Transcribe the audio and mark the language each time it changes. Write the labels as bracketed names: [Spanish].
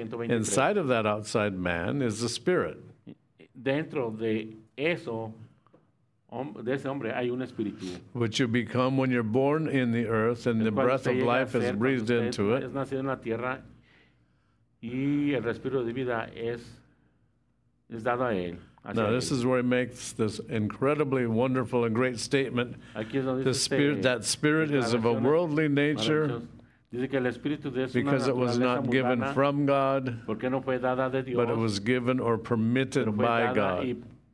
[English] Inside of that outside man is the spirit. [Spanish] Dentro de eso, de ese hombre, hay un espíritu. [English] Which you become when you're born in the earth and [Spanish] el [English] the breath of life is breathed into it. [Spanish] Es nacido en la tierra y el respiro de vida es dado a él. [English] Now, this is where he makes this incredibly wonderful and great statement. The spirit, that spirit is of a worldly nature because it was not given from God, but it was given or permitted by God.